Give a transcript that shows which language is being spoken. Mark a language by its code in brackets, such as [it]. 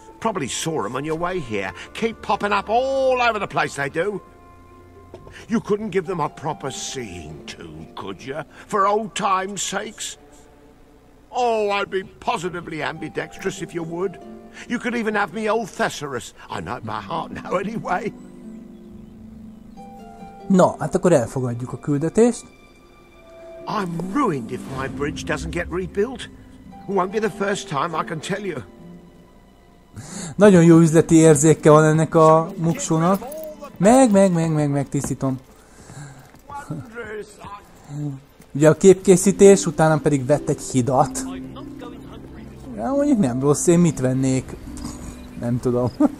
[en] Probably saw them on your way here. Keep popping up all over the place, they do. You couldn't give them a proper seeing to, could you? For old time's sakes? Oh, I'd be positively ambidextrous if you would. You could even have me old thesaurus. I know my heart now anyway. [hu] No, hát akkor elfogadjuk a küldetést. [en] I'm ruined if my bridge doesn't get rebuilt. Won't be the first time, I can tell you. [hu] Nagyon jó üzleti érzéke van ennek a muksónak. Meg tisztítom. Ugye a képkészítés, utána pedig vett egy hidat. Ja, mondjuk nem rossz, én mit vennék? Nem tudom.